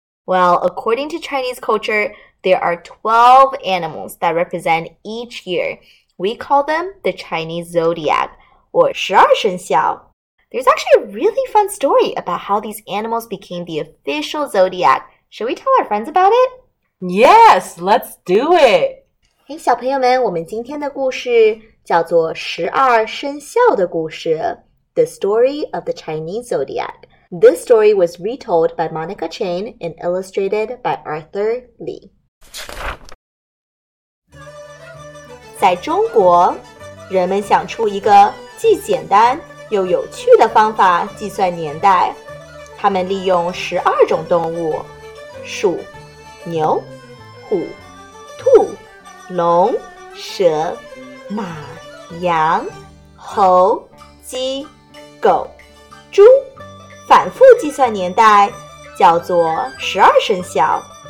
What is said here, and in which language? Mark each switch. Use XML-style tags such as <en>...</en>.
<en>Well, according to Chinese culture, there are 12 animals that represent each year. We call them the Chinese Zodiac, or 十二生肖。 There's actually a really fun story about how these animals became the official zodiac. Should we tell our friends about it? Yes, let's do it!</en> <zh>Hey, 小朋友们，我们今天的故事叫做十二生肖的故事</zh> <en>The Story of the Chinese Zodiac. This story was retold by Monica Chang and illustrated by Arthur Lee.</en> <zh>在中国，人们想出一个既简单又有趣的方法计算年代，他们利用十二种动物：鼠、牛、虎、兔、龙、蛇、马、羊、猴、鸡、狗、猪，反复计算年代，叫做十二生肖。</zh>